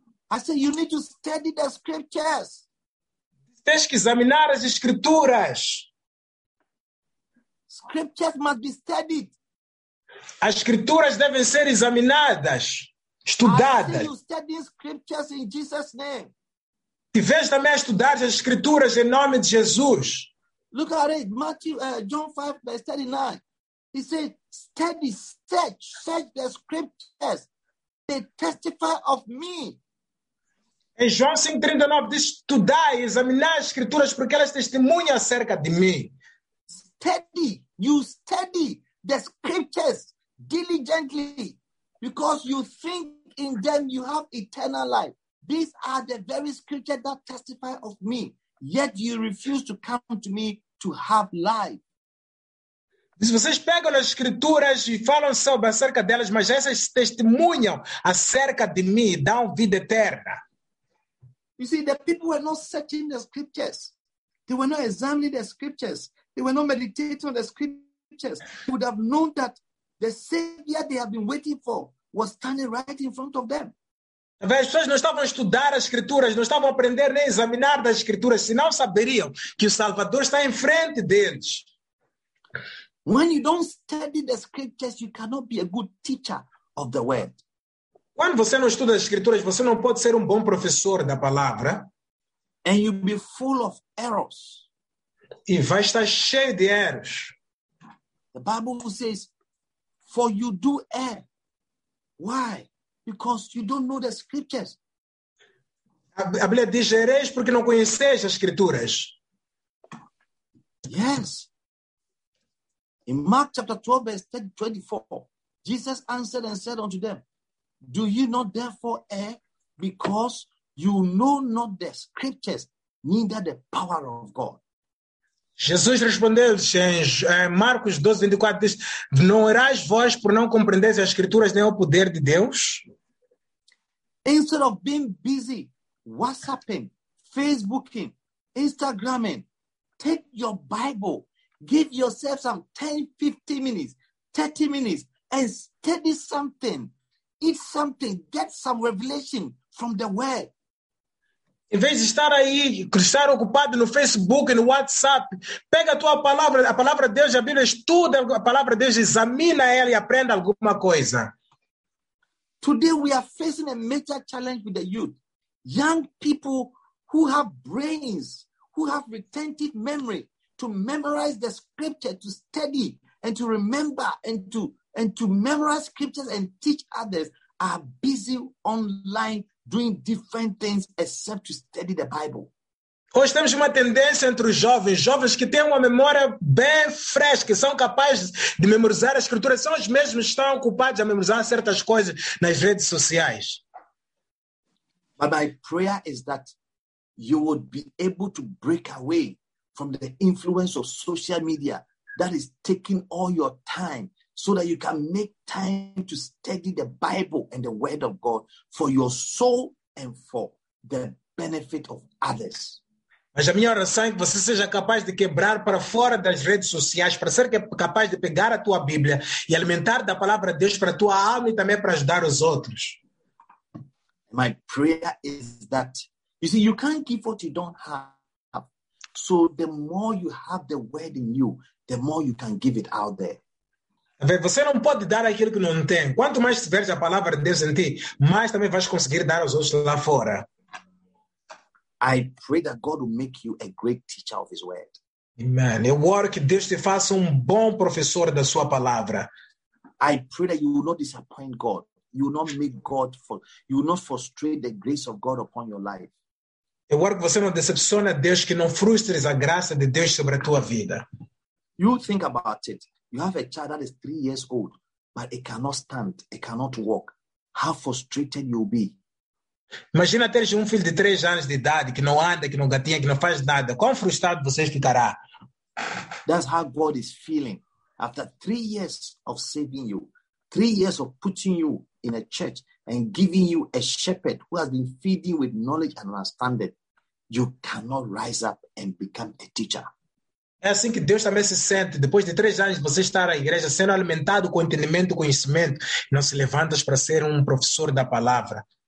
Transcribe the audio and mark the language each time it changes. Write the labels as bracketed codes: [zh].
[en] I say you need to study the scriptures. [pt] Deve examinar as escrituras. [en] Scriptures must be studied. [pt] As escrituras devem ser examinadas, estudadas. [en] I see you studying scriptures in Jesus' name. [pt] Te vês também a estudar as escrituras em nome de Jesus. [en] Look at it, Matthew, John 5, verse 39. He said, study, search the scriptures. They testify of me. [pt] Em João 5:39 diz, estudai, examinai as escrituras, porque elas testemunham acerca de mim. [en] Study, you study the scriptures diligently, because you think in them you have eternal life. These are the very scriptures that testify of me, yet you refuse to come to me to have life. [pt] Se vocês pegam as escrituras e falam sobre acerca delas, mas essas testemunham acerca de mim, dão vida eterna. [en] You see, the people were not searching the scriptures. They were not examining the scriptures. They were not meditating on the scriptures. They would have known that the Savior they have been waiting for was standing right in front of them. [pt] As pessoas não estavam a estudar as escrituras, não estavam a aprender nem a examinar das escrituras, senão saberiam que o Salvador está em frente deles. [en] When you don't study the scriptures, you cannot be a good teacher of the word. [pt] Quando você não estuda as escrituras, você não pode ser um bom professor da palavra. [en] And you'll be full of errors. [pt] E vai estar cheio de erros. [en] The Bible says, for you do err. Why? Because you don't know the scriptures. [pt] A Bíblia diz, ereis porque não conheceis as escrituras. [en] Yes. In Mark chapter 12, verse 24, Jesus answered and said unto them, do you not therefore err, because you know not the scriptures, neither the power of God? [pt] Jesus respondeu-lhes em Marcos 12, 24, diz, não erais vós por não compreendeis as escrituras nem o poder de Deus? [en] Instead of being busy WhatsApping, Facebooking, Instagramming, take your Bible, give yourself some 10, 15 minutes, 30 minutes, and study something, eat something, get some revelation from the Word. [pt] Em vez de estar aí, estar ocupado no Facebook, no WhatsApp, pega a tua palavra, a palavra de Deus, a Bíblia, estuda a palavra de Deus, examina ela e aprenda alguma coisa. [en] Today we are facing a major challenge with the youth. Young people who have brains, who have retentive memory to memorize the scripture, to study and to remember and to memorize scriptures and teach others are busy online doing different things except to study the Bible. [pt] Hoje temos uma tendência entre os jovens, jovens que têm uma memória bem fresca, que são capazes de memorizar a escritura, são os mesmos que estão ocupados a memorizar certas coisas nas redes sociais. [en] But my prayer is that you would be able to break away from the influence of social media that is taking all your time, so that you can make time to study the Bible and the Word of God for your soul and for the benefit of others. [pt] Mas a minha oração é que você seja capaz de quebrar para fora das redes sociais, para ser capaz de pegar a tua Bíblia e alimentar da palavra de Deus para a tua alma e também para ajudar os outros. [en] My prayer is that, you see, you can't give what you don't have. So the more you have the Word in you, the more you can give it out there. [pt] Você não pode dar aquilo que não tem. Quanto mais tiveres a palavra de Deus em ti, mais também vais conseguir dar aos outros lá fora. [en] I pray that God will make you a great teacher of his word. Amen. [pt] Eu oro que Deus te faça um bom professor da sua palavra. [en] I pray that you will not disappoint God. You will not make God fall. You will not frustrate the grace of God upon your life. [pt] Eu oro que você não decepcione a Deus, que não frustres a graça de Deus sobre a tua vida. [en] You think about it. You have a child that is 3 years old, but it cannot stand, it cannot walk. How frustrated you'll be. [pt] Imagina teres filho de 3 anos de idade, que não anda, que não gatinha, que não faz nada. Quão frustrado você ficará. [en] That's how God is feeling. After 3 years of saving you, 3 years of putting you in a church and giving you a shepherd who has been feeding with knowledge and understanding, you cannot rise up and become a teacher. [pt] É assim que Deus também se sente. Depois de 3 anos de você estar na igreja, sendo alimentado com entendimento e conhecimento, não se levantas para ser um professor da palavra.